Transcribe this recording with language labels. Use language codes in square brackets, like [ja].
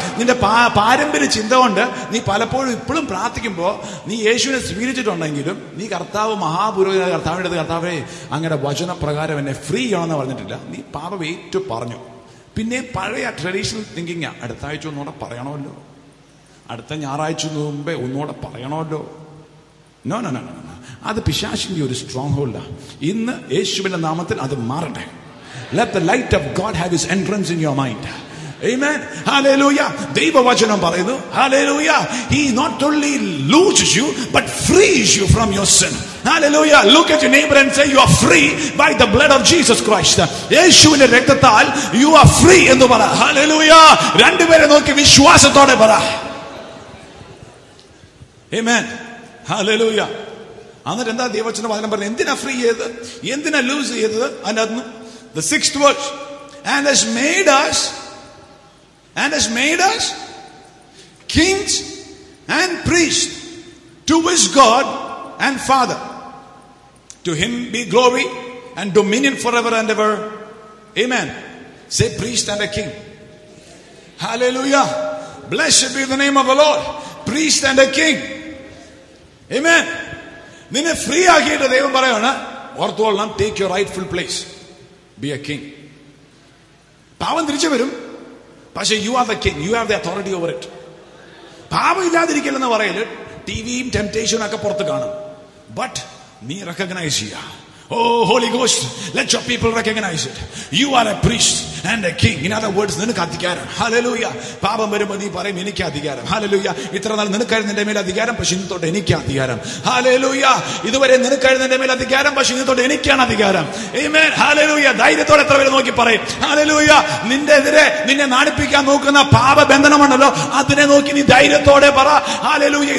[ml] നിന്റെ പാരമ്പര്യ ചിന്ത കൊണ്ട് നീ പലപ്പോഴും ഇപ്പോഴും പ്രാർത്ഥിക്കുമ്പോൾ നീ യേശുവിനെ സ്വീകരിച്ചിട്ടുണ്ടെങ്കിലും നീ കർത്താവ് മഹാപുരോഹിത കർത്താവിൻ്റെ കർത്താവേ അങ്ങയുടെ വചനപ്രകാരം എന്നെ ഫ്രീ ആണെന്ന് പറഞ്ഞിട്ടില്ല, നീ പാപം ഏറ്റു പറഞ്ഞു. പിന്നെ പഴയ ട്രഡീഷണൽ തിങ്കിങ് അടുത്ത ആഴ്ച ഒന്നുകൂടെ പറയണമല്ലോ, അടുത്ത ഞായറാഴ്ച മുമ്പേ ഒന്നുകൂടെ പറയണമല്ലോ. നോ നോ നോ, അത് പിശാചിന്റെ ഒരു സ്ട്രോങ് ഹോൾഡ് ആ. ഇന്ന് യേശുവിന്റെ നാമത്തിൽ അത് മാറട്ടെ. [en] Let the light of God have his entrance in your mind. Amen. Hallelujah. [ml] ദൈവവചനം പറയുന്നു, Hallelujah. [en] He not only loses you but frees you from your sin. Hallelujah. Look at your neighbor and say, you are free by the blood of Jesus Christ. [ml] യേശുവിന്റെ രക്തത്താൽ [en] you are free [ml] എന്ന് പറ. Hallelujah. രണ്ടുപേരെ നോക്കി വിശ്വാസത്തോടെ പറ. [en] Amen. Hallelujah. [ml] അന്നിട്ട് എന്താ ദൈവവചന വചനം പറഞ്ഞത്? എന്തിനാ ഫ്രീ ചെയ്തത്, എന്തിനാ ലൂസ് ചെയ്തത്? [en] അതിനകത്ത് the sixth verse, and has made us, and has made us kings and priests to his God and Father. To him be glory and dominion forever and ever. Amen. Say priest and a king. Hallelujah. Blessed be the name of the Lord. Priest and a king. Amen. [ml] നിന്നെ free ആക്കിയിട്ട് ദൈവം പറയാണ്, ഓർത്തോളണം, [en] Take your rightful place, be a king. [ml] പാപം തിരിച്ചു വരും, പക്ഷേ [en] You are the king, you have the authority over it. [ml] പാപം ഇല്ലാതിരിക്കില്ലെന്ന് പറയല് ടി വിയും ടെംപ്റ്റേഷനും ഒക്കെ പുറത്ത് കാണും, ബട്ട് നീ റെക്കഗ്നൈസ് ചെയ്യുക. [en] Oh, Holy Ghost, let your people recognize it. You are a priest and a king. In other words, [ml] നിനക്ക് അധികാരം. Hallelujah. പാപം വരുമ്പോൾ നീ പറയും, എനിക്ക് അധികാരം. Hallelujah. ഇത്ര നാൾ നിനക്കായിരുന്നു എന്റെ മേൽ അധികാരം, പക്ഷെ ഇന്നത്തോട്ട് എനിക്ക് അധികാരം. Hallelujah. ഇതുവരെ നിനക്കായിരുന്നു എന്റെ മേൽ അധികാരം, പക്ഷെ ഇന്നത്തോട്ട് എനിക്കാണ് അധികാരം. Amen. Hallelujah. ധൈര്യത്തോടെ എത്ര പേര് നോക്കി പറയും, Hallelujah. നിന്റെതിരെ നിന്നെ നാണിപ്പിക്കാൻ നോക്കുന്ന പാപ ബന്ധനമാണല്ലോ, അതിനെ നോക്കി നീ ധൈര്യത്തോടെ പറ, Hallelujah.